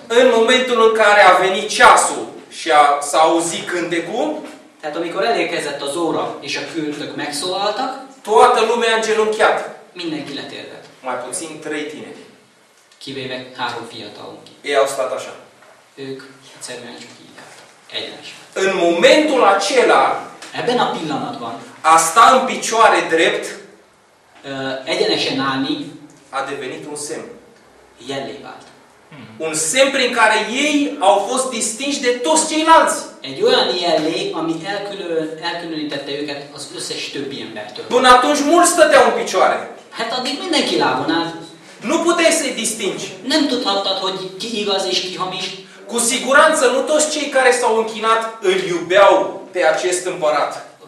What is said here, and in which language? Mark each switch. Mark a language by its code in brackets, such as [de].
[ro] În momentul în care a venit ceasul și s-a auzit cântecul, [hu] tehát amikor elérkezett az óra, és a kürtök megszólaltak, [ro] toată lumea îngenunchiat. [hu] Mindenki letérdelt. [ro] Mai puțin trei tineri. [hu] Kivéve három fiatalunk. [ro] Ei au stat așa. [hu] Ők egyszerűen csak így állt. Egyes. [ro] În momentul acela, [hu] ebben a pillanatban, [ro] a sta în picioare drept, [hu] egyenesen állni, [ro] a devenit un semn. [hu] Jellé vált. [ro] Un semn prin care ei au fost distinși de toți ceilalți. [hu] Egy olyan jellé, ami elkülönítette őket az összes többi embertől. [ro] Bun, atunci mulți stăteau în picioare. [hu] Hát addig mindenki lábon áll. [ro] Nu puteai să-i distingi. [hu] Nem tudhattad, hogy ki igaz és ki hamis. [ro] Cu siguranță nu toți cei care s-au închinat îl iubeau pe acest împărat.